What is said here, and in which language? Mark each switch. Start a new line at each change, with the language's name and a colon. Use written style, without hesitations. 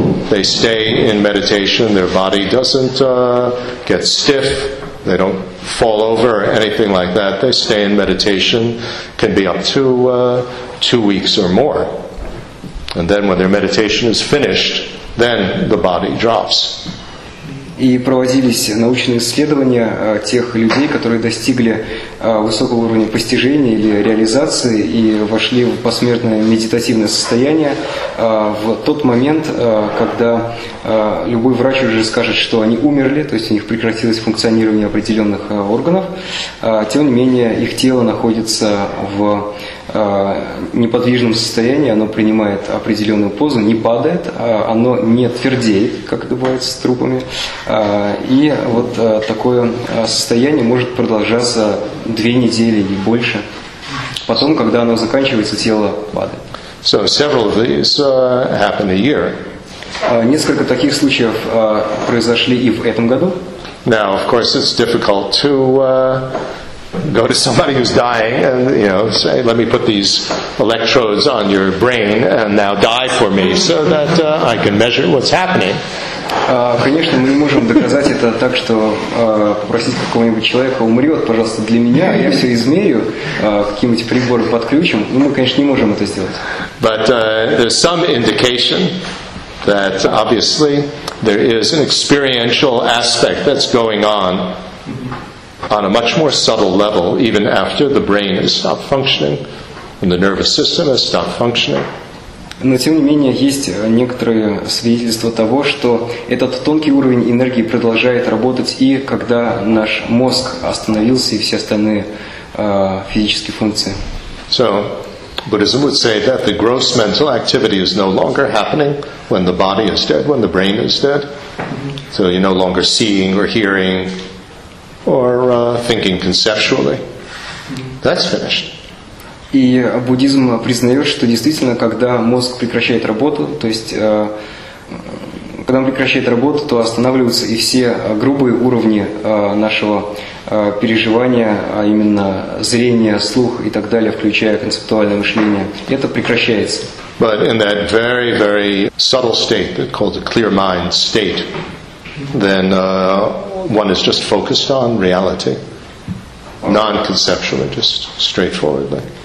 English: They stay in meditation, their body doesn't get stiff, they don't fall over or anything like that. They stay in meditation, can be up to 2 weeks or more. And then when their meditation is finished, then the body drops.
Russian: И проводились научные исследования тех людей, которые достигли высокого уровня постижения или реализации и вошли в посмертное медитативное состояние в тот момент, когда любой врач уже скажет, что они умерли, то есть у них прекратилось функционирование определенных органов, тем не менее их тело находится в неподвижном состоянии, оно принимает определенную позу, не падает, оно не твердеет, как это бывает с трупами. И вот такое состояние может продолжаться 2 недели и больше. Потом, когда оно заканчивается, тело падает.
English: So several of these happen a year.
Russian: Несколько таких случаев произошли и в этом году.
English: Now, of course, it's difficult to go to somebody who's dying and, you know, say, let me put these electrodes on your brain and now die for me so that I can measure what's happening.
Russian: Конечно, мы не можем доказать это так, что попросить какого-нибудь человека умрет, пожалуйста, для меня, я все измерю, каким-нибудь прибором подключим. Ну, мы, конечно, не можем это сделать.
English: But there's some indication that obviously there is an experiential aspect that's going on on a much more subtle level, even after the brain has stopped functioning and the nervous system has stopped functioning.
Russian: Но тем не менее есть некоторые свидетельства того, что этот тонкий уровень энергии продолжает работать и когда наш мозг остановился и все остальные физические функции.
English: So, Buddhism would say that the gross mental activity is no longer happening when the body is dead, when the brain is dead. So you're no longer seeing or hearing or thinking conceptually. That's finished.
Russian: И буддизм признает, что действительно, когда мозг прекращает работу, то есть когда он прекращает работу, то останавливаются и все грубые уровни нашего переживания, а именно зрение, слух и так далее, включая концептуальное мышление. Это прекращается.
English: But in that very, very subtle state, called the clear mind state, then one is just focused on reality, non-conceptually, just straightforwardly.